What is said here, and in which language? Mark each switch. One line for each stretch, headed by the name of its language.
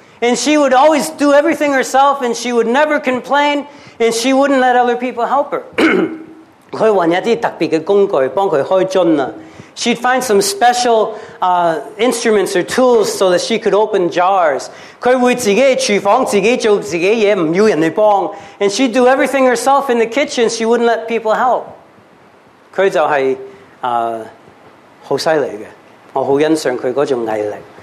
English: And she would always do everything herself and she would never complain and she wouldn't let other people help her.
Cantonese: 她找一些特别的工具帮她开樽了。
English: She'd find some special instruments or tools so that she could open jars.
Cantonese: 她会自己厨房自己做自己嘢，唔要人哋帮。
English: And she'd do everything herself in the kitchen. She wouldn't let people help.
Cantonese: 她就是好犀利嘅，我好欣赏佢嗰种毅力。